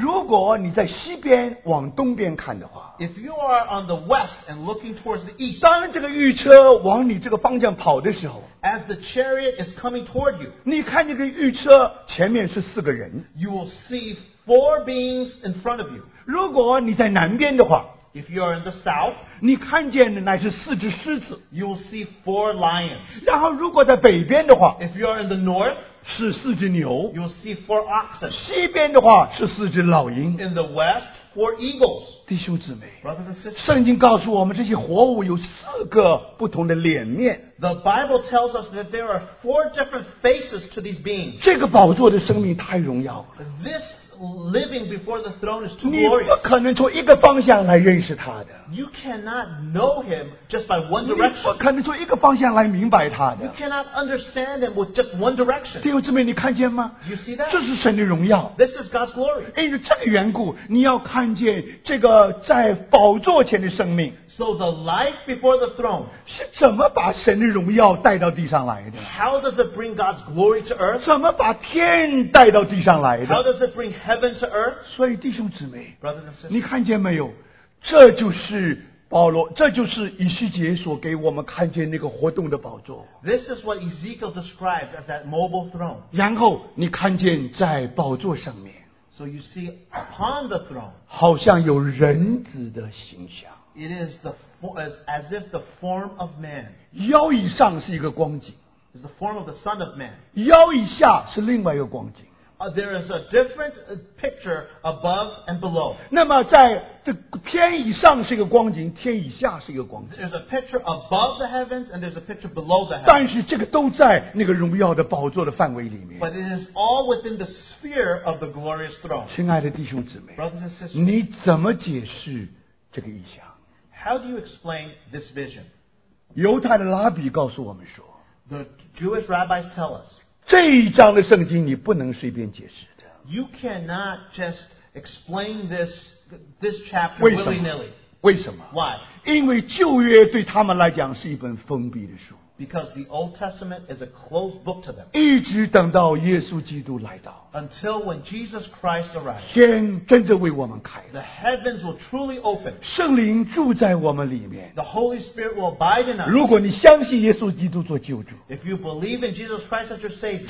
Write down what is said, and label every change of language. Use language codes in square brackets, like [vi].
[zh] 如果你在西边往东边看的话。 [en] If you are on the west and looking towards the east. [zh] 当这个御车往你这个方向跑的时候。 [en] As the chariot is coming toward you. [zh] 你看这个御车前面是四个人。 [en] You will see four beings in front of you. [zh] 如果你在南边的话。 [en] If you are in the south, [zh] 你看见的乃是四只狮子。 [en] You will see four lions. [zh] 然后如果在北边的话， [en] If you are in the north, [zh] 是四只牛。 [en] You will see four oxen. [zh] 西边的话是四只老鹰。 [en] In the west, four eagles. [zh] 弟兄姊妹， [en] Brothers and sisters, [zh] 圣经告诉我们这些活物有四个不同的脸面。 [en] The Bible tells us that there are four different faces to these beings. [zh] 这个宝座的生命太荣耀了。 [en] This living before the throne is too glorious. You cannot know him just by one direction. You cannot understand him with just one direction. [zh] 弟兄姊妹, 你看见吗? [en] You see that? [zh] 这是神的荣耀。 [en] This is God's glory. [zh] 因为这个缘故, 你要看见这个在宝座前的生命, [en] so the life before the throne, [zh] 是怎么把神的荣耀带到地上来的? [en] How does it bring God's glory to earth? [zh] 怎么把天带到地上来的? [en] How does it bring heaven to earth? [zh] 所以弟兄姊妹, [en] brothers and sisters, [zh] 你看见没有? 这就是保罗, 这就是以西结所给我们看见那个活动的宝座。 [en] This is what Ezekiel describes as that mobile throne. [zh] 然后你看见在宝座上面, [en] so you see upon the throne, [zh] 好像有人子的形象。 [en] It is the, as if the form of man. [zh] 腰以上是一个光景, [en] is the form of the Son of Man. [zh] 腰以下是另外一个光景。 [en] There is a different picture above and below. [zh] 那么在天以上是一个光景, 天以下是一个光景。 [en] There's a picture above the heavens and there's a picture below the heavens. [zh] 但是这个都在那个荣耀的宝座的范围里面。 [en] But it is all within the sphere of the glorious throne. [zh] 亲爱的弟兄姊妹, [en] brothers and sisters, [zh] 你怎么解释这个意象? [en] How do you explain this vision? [zh] 犹太的拉比告诉我们说, [en] the Jewish rabbis tell us, [zh] 这一章的圣经你不能随便解释的。 [en] You cannot just explain this chapter willy-nilly. [zh] 为什么? [en] Why? [zh] 因为旧约对他们来讲是一本封闭的书。 [en] Because the Old Testament is a closed book to them. [zh] 一直等到耶稣基督来到, [en] until when Jesus Christ arrives, [zh] 天真正为我们开了, [en] the heavens will truly open, [zh] 圣灵住在我们里面, [en] the Holy Spirit will abide in us. [zh] 如果你相信耶稣基督做救主, [en] if you believe in Jesus Christ as your Savior,